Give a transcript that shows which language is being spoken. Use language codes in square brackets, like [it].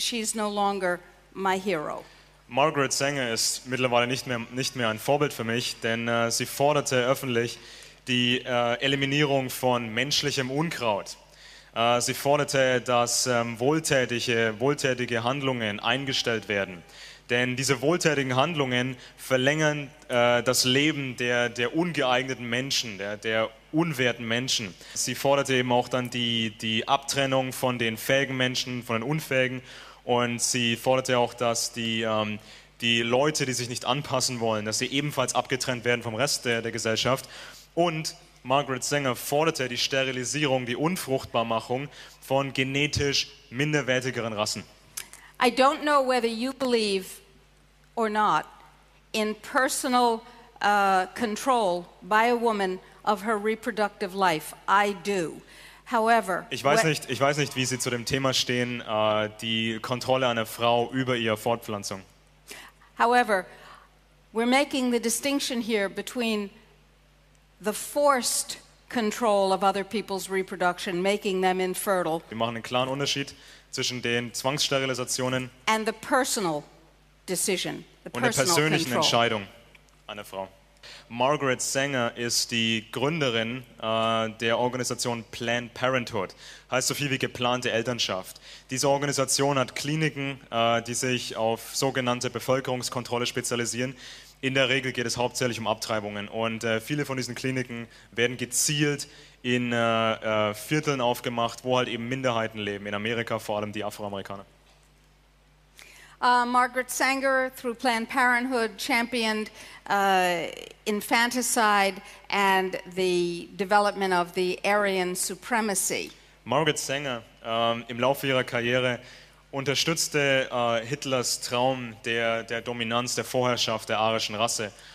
[en] She's no longer my hero. [de] Margaret Sanger ist mittlerweile nicht mehr ein Vorbild für mich, denn sie forderte öffentlich die Eliminierung von menschlichem Unkraut. Sie forderte, dass wohltätige Handlungen eingestellt werden. Denn diese wohltätigen Handlungen verlängern das Leben der ungeeigneten Menschen, der unwerten Menschen. Sie forderte eben auch dann die Abtrennung von den fähigen Menschen, von den unfähigen. Und sie forderte auch, dass die Leute, die sich nicht anpassen wollen, dass sie ebenfalls abgetrennt werden vom Rest der Gesellschaft. Und Margaret Sanger forderte die Sterilisierung, die Unfruchtbarmachung von genetisch minderwertigeren Rassen. [en] I don't know whether you believe or not in personal control by a woman of her reproductive life. I do. However, [de] ich weiß nicht, wie Sie zu dem Thema stehen, die Kontrolle einer Frau über ihre Fortpflanzung. [en] However, we're making the distinction here between the forced control of other people's reproduction, making them infertile. [de] Wir machen einen klaren Unterschied zwischen den Zwangssterilisationen [en] and the personal decision, [de] und der persönlichen Entscheidung einer Frau. Margaret Sanger ist die Gründerin der Organisation Planned Parenthood, heißt so viel wie geplante Elternschaft. Diese Organisation hat Kliniken, die sich auf sogenannte Bevölkerungskontrolle spezialisieren, In der Regel geht es hauptsächlich um Abtreibungen und viele von diesen Kliniken werden gezielt in Vierteln aufgemacht, wo halt eben Minderheiten leben, in Amerika vor allem die Afroamerikaner. [en] Margaret Sanger through Planned Parenthood championed infanticide and the development of the Aryan supremacy. [de] Margaret Sanger im Laufe ihrer Karriere unterstützte Hitlers Traum der Dominanz, der Vorherrschaft der arischen Rasse.